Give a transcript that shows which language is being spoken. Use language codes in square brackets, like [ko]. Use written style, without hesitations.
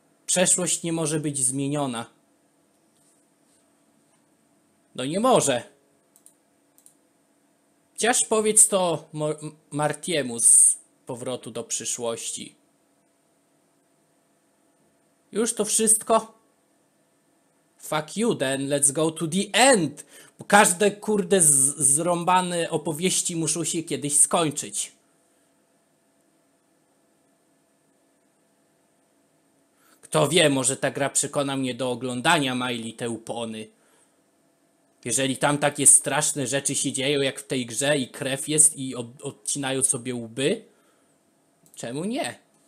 [pl] Przeszłość nie może być zmieniona. No nie może. Chociaż powiedz to Martiemu z powrotu do przyszłości. Już to wszystko? [en] Fuck you then, let's go to the end. [pl] Bo każde kurde zrąbane opowieści muszą się kiedyś skończyć. Kto wie, może ta gra przekona mnie do oglądania My Little Pony. Jeżeli tam takie straszne rzeczy się dzieją jak w tej grze i krew jest i odcinają sobie łby. Czemu nie?